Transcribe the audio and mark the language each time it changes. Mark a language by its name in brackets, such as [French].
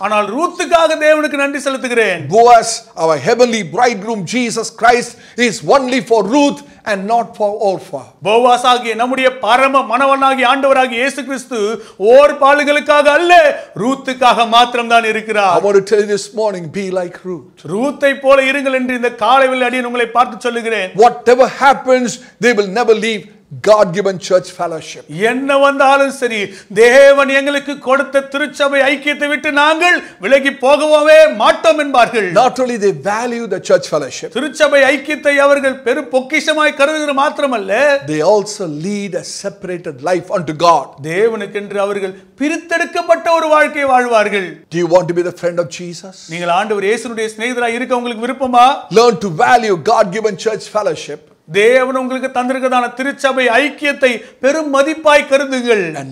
[Tamil] ஆனால் ரூத்துக்காக தேவனுக்கு நன்றி செலுத்துகிறேன். [English] Boaz, our heavenly bridegroom Jesus Christ, is only for Ruth and not for Orpah. [Tamil] Boaz ஆகிய நம்முடைய பரம மனவனாகிய ஆண்டவராகிய இயேசு கிறிஸ்து ஓர்பாளுகளுக்காக அல்ல, ரூத்துக்காக மாத்திரம் தான் இருக்கிறார். [English] I want to tell you this morning, be like Ruth. [Tamil] ரூத்தை போல இருங்கள் என்று இந்த காலையில் அடியேன் உங்களை பார்த்து சொல்லுகிறேன். [English] Whatever happens, they will never leave God given church fellowship. [Tamil] என்ன வந்தாலும் சரி, தேவன் எங்களுக்கு கொடுத்த திருச்சபை ஐக்கியத்தை விட்டு நாங்கள் விலகி போகவே மாட்டோம் என்பார்கள். [English] Not only they value the church fellowship. [Tamil] திருச்சபை ஐக்கியத்தை அவர்கள் பெரும் பொக்கிஷமாய் கருதுகிறது மாத்திரமல்ல, [English] they also lead a separated life unto God. [Tamil] தேவனுக்கென்று அவர்கள் பிரித்தெடுக்கப்பட்ட ஒரு வாழ்க்கையை வாழ்வார்கள். [English] Do you want to be the friend of Jesus? [Tamil] நீங்கள் ஆண்டவர் இயேசுவின் சிநேகிதராய் இருக்க உங்களுக்கு விருப்பமா? [English] Learn to value God given church fellowship. [Tamil] தேவன் உங்களுக்கு தந்திருக்கதான திருச்சபை ஐக்கியத்தை பெரும் மதிப்பாய் கருதுங்கள்.